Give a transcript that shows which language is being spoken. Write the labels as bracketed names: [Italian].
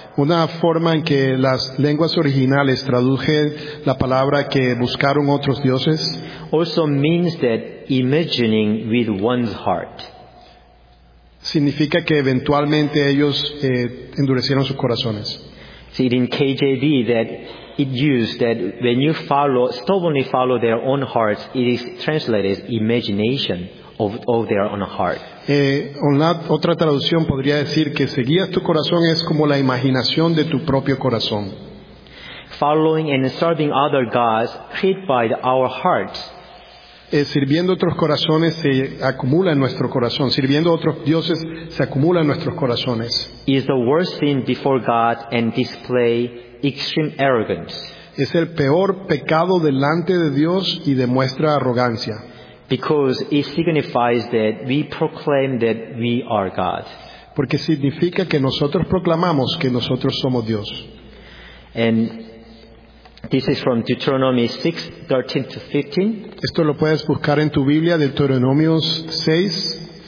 [Spanish] Una forma en que las lenguas originales tradujeron la palabra que buscaron otros dioses. [English] Also means that imagining with one's heart. [Spanish] Significa que eventualmente ellos endurecieron sus corazones. [English] See in KJV that it used that when you stubbornly follow their own hearts, it is translated as imagination of their own heart. [Spanish] Otra traducción podría decir que seguías tu corazón es como la imaginación de tu propio corazón. [English] Following and serving other gods created by our hearts. [Spanish] Sirviendo otros corazones se acumula en nuestro corazón. Sirviendo otros dioses se acumula en nuestros corazones. [English] Is the worst sin before God and display extreme arrogance. [Spanish] Es el peor pecado delante de Dios y demuestra arrogancia. [English] Because it signifies that we proclaim that we are God. [Spanish] Porque significa que nosotros proclamamos que nosotros somos Dios. [English] And this is from Deuteronomy 6, 13 to 15. [Spanish] Esto lo puedes buscar en tu Biblia, Deuteronomio 6,